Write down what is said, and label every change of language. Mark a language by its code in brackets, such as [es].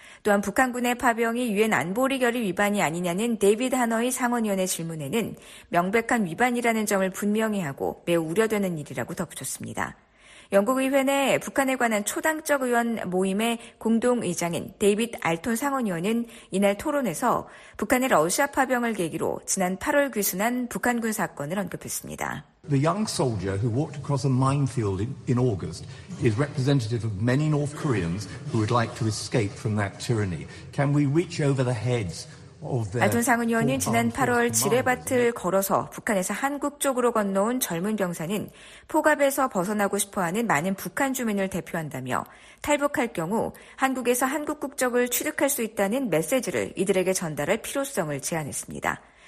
[ko] 또한 북한군의 파병이 유엔 안보리 결의 위반이 아니냐는 데이비드 하너이 상원의원의 질문에는 명백한 위반이라는 점을 분명히 하고 매우 우려되는 일이라고 덧붙였습니다. 영국의회 내 북한에 관한 초당적 의원 모임의 공동의장인 데이비드 알톤 상원의원은 이날 토론에서 북한의 러시아 파병을 계기로 지난 8월 귀순한 북한군 사건을 언급했습니다. [en] The young soldier who walked across a minefield in August is representative of many North Koreans who would like to escape from that tyranny. Can we reach over the heads [ko] 알톤 상은 의원은 지난 8월 지뢰밭을 걸어서 북한에서 한국 쪽으로 건너온 젊은 병사는 포갑에서 벗어나고 싶어하는 많은 북한 주민을 대표한다며 탈북할 경우 한국에서 한국 국적을 취득할 수 있다는 메시지를 이들에게 전달할 필요성을 제안했습니다.